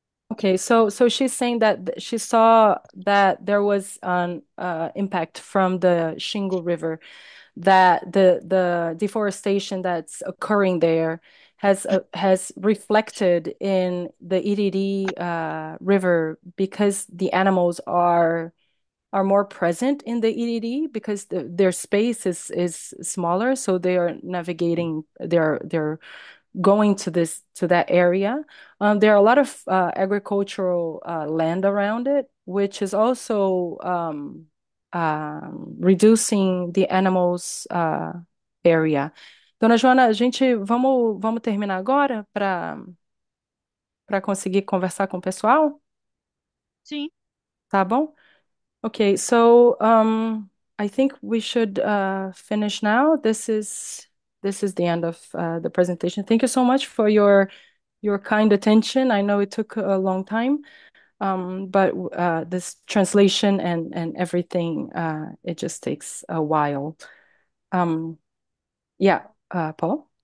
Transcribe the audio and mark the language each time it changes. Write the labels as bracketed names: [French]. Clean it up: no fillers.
[English] Okay, so she's saying that she saw that there was an impact from the Xingu River, that the deforestation that's occurring there has reflected in the Iriri River because the animals are more present in the Iriri because their space is smaller, so they are navigating their going to this to that area. There are a lot of agricultural land around it, which is also reducing the animals area. [Portuguese] Dona Joana, vamos terminar agora para conseguir conversar com o pessoal? Sim. Tá bom? [English] Okay, so I think we should finish now. This is the end of the presentation. Thank you so much for your kind attention. I know it took a long time, but this translation and everything, it just takes a while. Yeah, Paul?